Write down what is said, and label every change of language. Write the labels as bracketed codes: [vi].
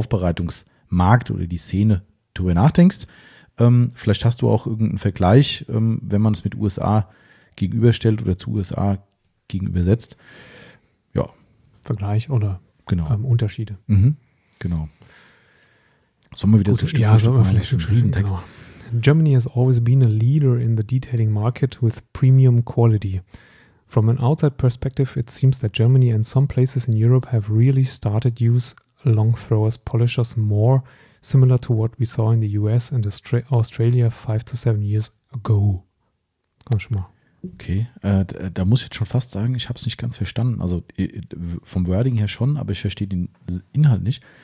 [de] Fahrzeugaufbereitungsmarkt oder die Szene drüber nachdenkst? Vielleicht hast du auch irgendeinen Vergleich, wenn man es mit USA gegenüberstellt oder zu USA gegenübersetzt. Ja. Vergleich oder? Genau. Unterschiede. Mhm. Genau. Sollen wir wieder so Stück für Stück machen? Vielleicht ein Riesentext. Genau. [en] Germany has always been a leader in the detailing market with premium quality. From an outside perspective, it seems that Germany and some places in Europe have really started to use long throwers polishers more similar to what we saw in the US and Australia 5 to 7 years ago. [de] Komm schon mal. Okay, da muss ich jetzt schon fast sagen, ich habe es nicht ganz verstanden. Also vom Wording her schon, aber ich verstehe den Inhalt nicht.